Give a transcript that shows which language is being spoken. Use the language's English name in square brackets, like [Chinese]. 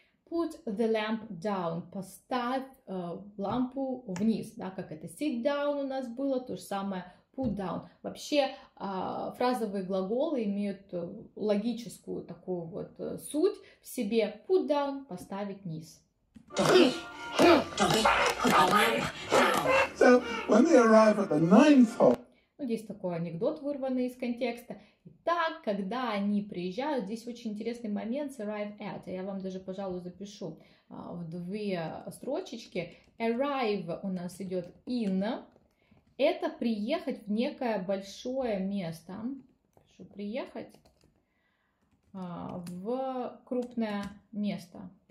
[English] Put the lamp down. [Russian] Поставь лампу вниз, да, как это sit down у нас было, то же самое. [English] Put down. [Russian] Вообще, фразовые глаголы имеют логическую такую вот суть в себе. [English] Put down, [Russian] поставить вниз. [English] So, when they arrive at the ninth hole... [Russian] Ну, здесь такой анекдот, вырванный из контекста. Итак, когда они приезжают, здесь очень интересный момент с arrive at. Я вам даже, пожалуй, запишу в две строчечки. Arrive у нас идет in... Это приехать в некое большое место, что приехать в крупное место.